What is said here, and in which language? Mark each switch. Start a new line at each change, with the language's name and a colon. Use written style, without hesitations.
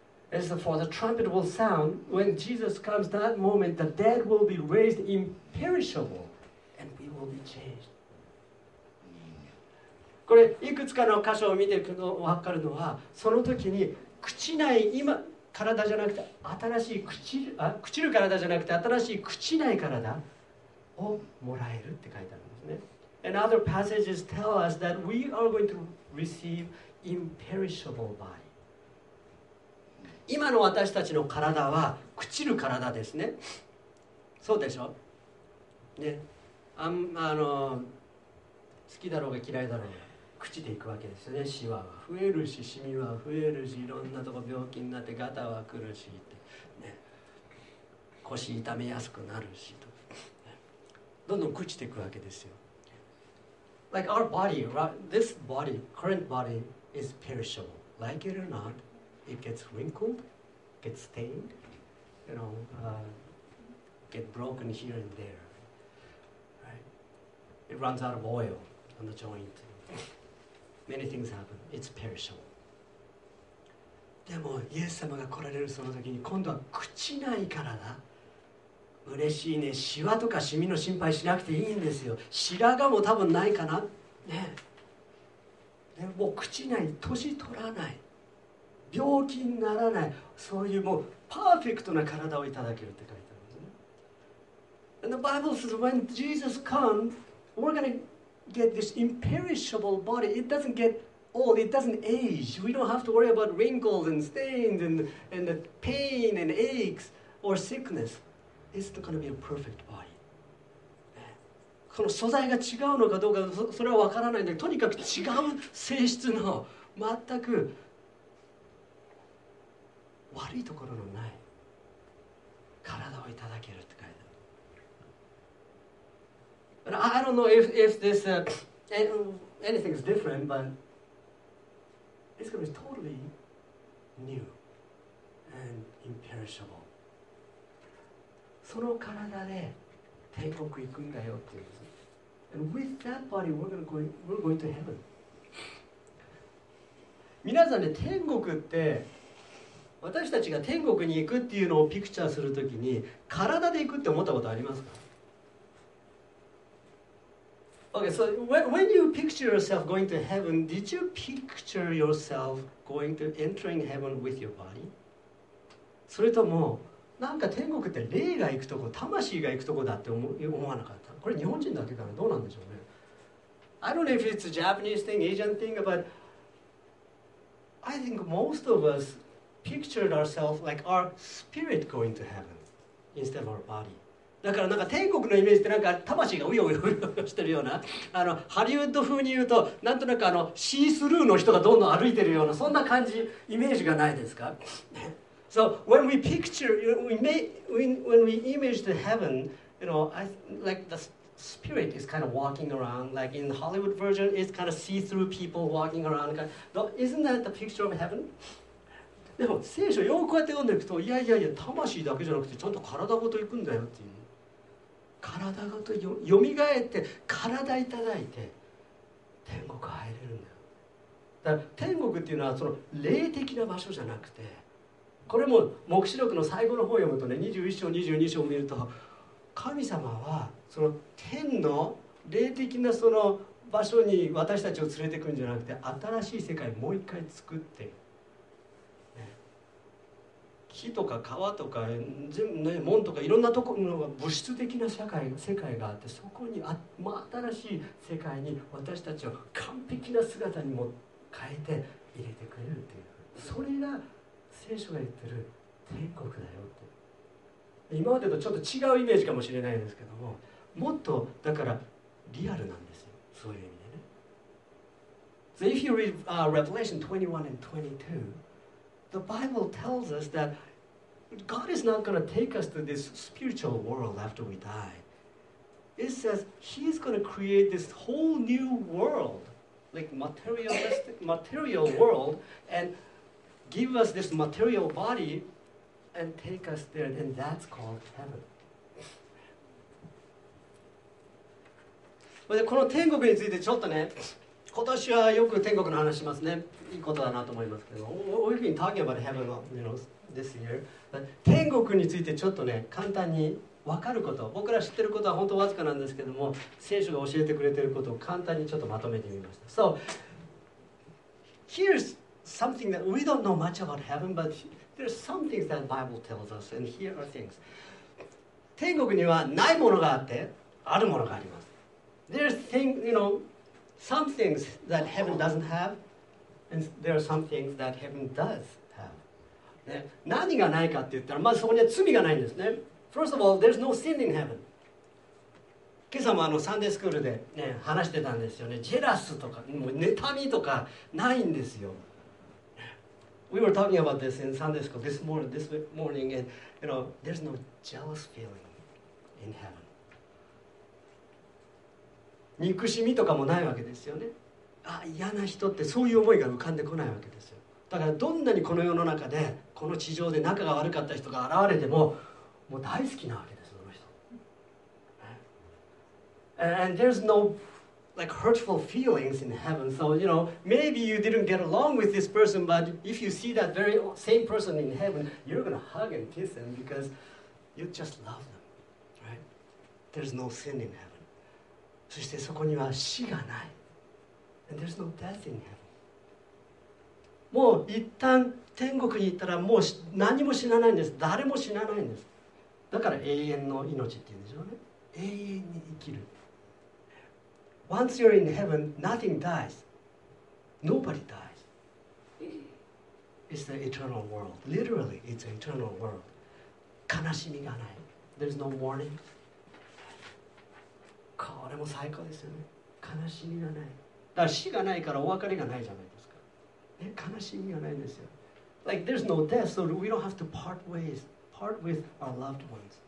English: As for the trumpet will sound when Jesus comes that moment the dead will be raised imperishable and we will be changed.
Japanese: これいくつかの箇所を見ていくのを分かるのはその時に朽ちない今体じゃなくて新しい朽ちる体じゃなくて新しい朽ちない体をもらえるって書いてあるんですね。
English: And other passages tell us that we are going to receive imperishable body.
Japanese: 今の私たちの体は朽ちる体ですね。そうでしょ？ね、好きだろうが嫌いだろうが。朽ちていくわけですよね。シワは増えるし、シミは増えるし、いろんなとこ病気になってガタは来るしって、ね、腰痛めやすくなるしと、どんどん朽ちていくわけですよ。
English: Like our body, right? This body, current body is perishable. Like it or not, it gets wrinkled, gets stained, you know, get broken here and there. Right? It runs out of oil on the joint. Many things happen. It's perishable.
Japanese: でもイエス様が来られるその時に今度は朽ちないからだ。嬉しいね。シワとかシミの心配しなくていいんですよ。白髪も多分ないかな。ね。でも朽ちない。年取らない。病気にならない。そういうもうパーフェクトな体をいただけるって書いてあるんですね。
English: And the Bible says when Jesus comes, we're gonna... get this imperishable body. It doesn't get old. It doesn't age. We don't have to worry about wrinkles and stains and the pain and aches or sickness. It's going to be a perfect body.
Japanese: この素材が違うのかどうか それは分からないんだけど、とにかく違う性質の全く悪いところのない体をいただけるって書いてある。
English: I don't know if this anything is different, but it's going to be totally new and imperishable.
Japanese: その体で天国行くんだよっていうんです。
English: And with that body, we're going to heaven.
Japanese: 皆さんね、天国って私たちが天国に行くっていうのをピクチャーするときに体で行くって思ったことありますか？
English: Okay, so when you picture yourself going to heaven, did you picture yourself going to entering heaven with your body?
Japanese: それとも、なんか天国って霊が行くとこ、魂が行くとこだって思わなかった。これ日本人だけかな、どうなんでしょうね。
English: I don't know if it's a Japanese thing, Asian thing, but I think most of us pictured ourselves like our spirit going to heaven instead of our body.
Japanese: だからなんか天国のイメージってなんか魂がうようよしてるような、あのハリウッド風に言うとなんとなくあのシースルーの人がどんどん歩いてるような、そんな感じ、イメージがないですか。
English: So when we picture, when we image the heaven, you know, like the spirit is kind of walking around, like in the Hollywood version, it's kind of see-through people walking around. Kind of, isn't that the picture of heaven?
Japanese: でも聖書よくこうやって読んでいくと、いやいやいや、魂だけじゃなくてちゃんと体ごと行くんだよっていう。体ごとよみがえって体いただいて天国入れるんだよ。だから天国っていうのはその霊的な場所じゃなくて、これも黙示録の最後の方を読むとね、21章22章を見ると、神様はその天の霊的なその場所に私たちを連れてくんじゃなくて、新しい世界をもう一回作って、ね、木とか川とか全部、ね、門とかいろんなところの物質的な世界があって、そこに新しい世界に私たちを完璧な姿にも変えて入れてくれるっていう、それが聖書が言ってる天国だよって。今までとちょっと違うイメージかもしれないですけども、もっとだからリアルなんですよ、そういう意味でね。
English: So if you read Revelation 21 and 22, the Bible tells us that God is not going to take us to this spiritual world after we die. It says He is going to create this whole new world, like materialistic material world, andgive us this material body and take us there, then that's called heaven.
Japanese: でこの天国についてちょっとね、今年はよく天国の話しますね。いいことだなと思いますけど、
English: We've been talking about heaven, you know, this year.
Japanese: 天国についてちょっとね、簡単に分かること、僕ら知ってることは本当わずかなんですけども、聖書が教えてくれてることを簡単にちょっとまとめてみました。
English: So, here'sSomething that we don't know much about heaven, but there's some things that Bible tells us, and here are things.
Japanese: 天国にはないものがあって、あるものがあります。
English: There's things, you know, some things that heaven doesn't have, and there are some things that heaven does have.
Japanese: ね、何がないかって言ったら、まずそこには罪がないんですね。
English: First of all, there's no sin in heaven.
Japanese: 今朝もあのサンデースクールで、ね、話してたんですよね。ジェラスとか、もう妬みとかないんですよ。
English: We were talking about this in Sunday school this morning, and you know, there's no jealous feeling in heaven.
Japanese: 憎しみとかもないわけですよね。あ、嫌な人ってそういう思いが浮かんでこないわけですよ。だからどんなにこの世の中で、この地上で仲が悪かった人が現れても、もう大好きなわけです、その人。
English: And there's no... like hurtful feelings in heaven. So, you know, maybe you didn't get along with this person, but if you see that very same person in heaven, you're going to hug and kiss them because you just love them, right? There's no sin in heaven.
Japanese: そしてそこには死がない。
English: And there's no death in heaven.
Japanese: もう一旦天国に行ったらもう何も死なないんです。誰も死なないんです。だから永遠の命っていうんでしょうね。永遠に生きる。
English: Once you're in heaven, nothing dies. Nobody dies. It's the eternal world. Literally, it's an eternal world.
Japanese: 悲しみがない。
English: There's no mourning.
Japanese: これも最高ですよね。悲しみがない。だから死がないからお別れがないじゃないですか。ね、悲しみがないんですよ。
English: Like, there's no death, so we don't have to part ways, part with our loved ones.